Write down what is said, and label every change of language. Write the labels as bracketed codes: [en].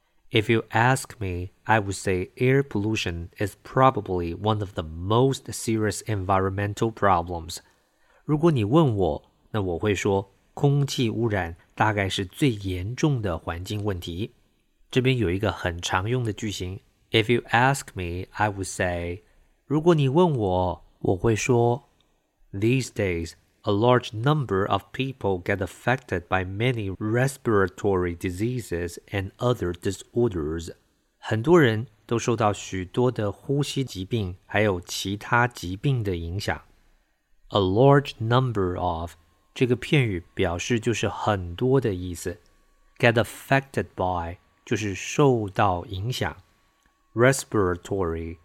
[en] If you ask me, I would say air pollution is probably one of the most serious environmental problems. [zh] 如果你问我，那我会说空气污染大概是最严重的环境问题。这边有一个很常用的句型。 [en] If you ask me, I would say, [zh] 如果你问我，我会说。 [en] These days, a large number of people get affected by many respiratory diseases and other disorders. [zh] 很多人都受到许多的呼吸疾病还有其他疾病的影响。 [en] A large number of, [zh] 这个片语表示就是很多的意思。 [en] Get affected by, [zh] 就是受到影响。 [en] Respiratory